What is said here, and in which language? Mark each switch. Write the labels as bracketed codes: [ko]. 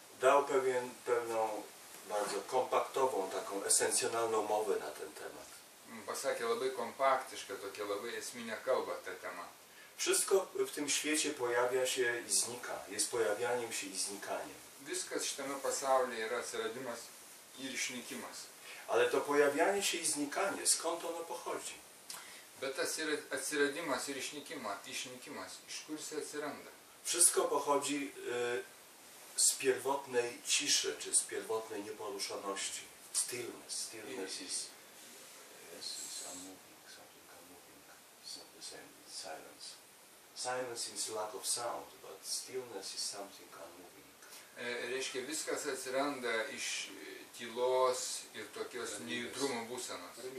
[pl] dał pewną bardzo kompaktową, taką esencjonalną mowę na ten temat. [lt] Pasakė labai kompaktiška, tokia labai esminė kalba ta tema. [pl] Wszystko w tym świecie pojawia się i znika. Jest pojawianiem się i znikaniem. [lt] Viskas šitame pasaulyje yra atsiradimas ir išnykimas. [pl] Ale to pojawianie się i znikanie, skąd ono pochodzi? [lt] Bet tas yra atsiradimas ir išnykimas, iš kur jis atsiranda? [pl] Wszystko pochodzi z pierwotnej ciszy, czy z pierwotnej nieporuszoności. [en] Stillness is a moving, something like a moving, the same with silence. Silence is lack of sound, but stillness is something unmoving. [lt] Reiškia, viskas atsiranda iš tylos ir tokios nejudrumo būsenos.